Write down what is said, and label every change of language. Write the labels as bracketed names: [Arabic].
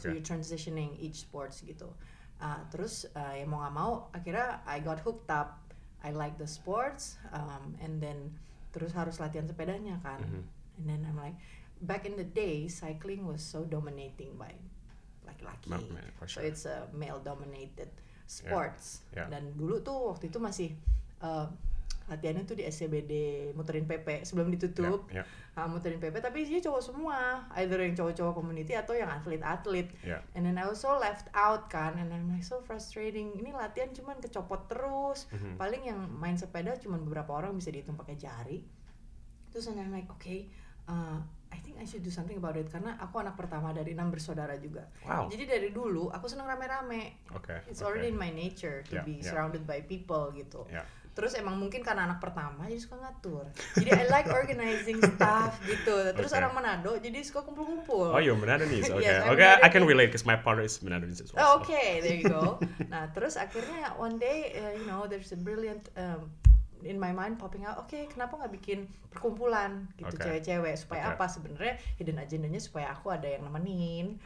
[English] So you're transitioning each sports gitu. [Indonesian] Terus ya mau gak mau, akhirnya [English] I got hooked up. I like the sports, and then [Indonesian] terus harus latihan sepedanya kan. Mm-hmm. [English] And then I'm like, back in the day, cycling was so dominating by laki-laki. Man, for sure. So it's a male-dominated sports. Yeah. Yeah. [Indonesian] Dan dulu tuh waktu itu masih latihannya tuh di SCBD, muterin PP sebelum ditutup. [English] Yeah, yeah. [Indonesian] Muterin PP, tapi isinya cowok semua. Either yang cowok-cowok community atau yang atlet-atlet. [English] Yeah. And then I was so left out kan, and I'm like so frustrating. [Indonesian] Ini latihan cuman kecopot terus. Mm-hmm. Paling yang main sepeda cuman beberapa orang bisa dihitung pakai jari. [English] Terus I'm like, okay, I think I should do something about it. [Indonesian] Karena aku anak pertama dari 6 bersaudara juga. [English] Wow. [Indonesian] Jadi dari dulu aku seneng rame-rame. [English] Okay. It's okay. already in my nature to yeah, be yeah. surrounded by people gitu. Yeah. [Indonesian] Terus emang mungkin karena anak pertama jadi suka ngatur. Jadi [English] I like organizing stuff [Indonesian] gitu. Terus [English] okay. [Indonesian] orang Manado jadi suka kumpul-kumpul. [English] Oh, you're Manadoese. Okay. Yes, okay, I can relate because my partner is Manadoese as well. Oh, okay, so. There you go. [Indonesian] Nah, terus akhirnya [English] one day you know there's a brilliant in my mind popping out. [Indonesian] Okay, kenapa enggak bikin perkumpulan gitu [English] okay. [Indonesian] cewek-cewek? Supaya [English] okay. [Indonesian] apa sebenarnya? Hidden agendanya supaya aku ada yang nemenin.